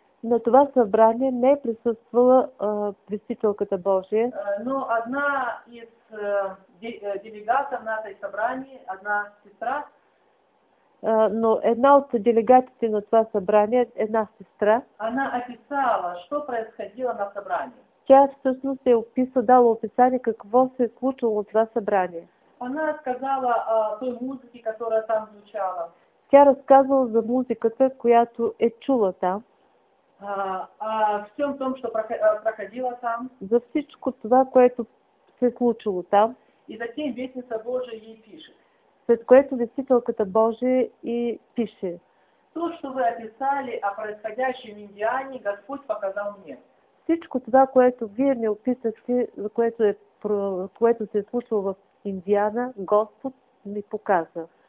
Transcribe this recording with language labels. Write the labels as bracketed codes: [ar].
[bg] На това събрание не е присъствала Пресвителката Божия. Но една [ru] из делегатов [bg] на тази събрание, една сестра, но една от делегатите на това събрание, една сестра, [ru] она описала, что происходило на собрании. [bg] Тя всъщност е описала, дала описание какво се е случило на това събрание. [ru] Она сказала о той музыке, которая там звучала. [bg] Тя разказала за музиката, която е чула там. [ru] В всем том, что проходило там. [bg] За всичко това, което се е случило там. [ru] И затем вестница Божия ей пишет. [bg] След което Вестителката Божия и пише. [ru] То, что вы описали о происходящем Индиане, Господь показал мне. [bg] Всичко това, което вие ми описахте, което се е случило в Индиана, Господ ми показа.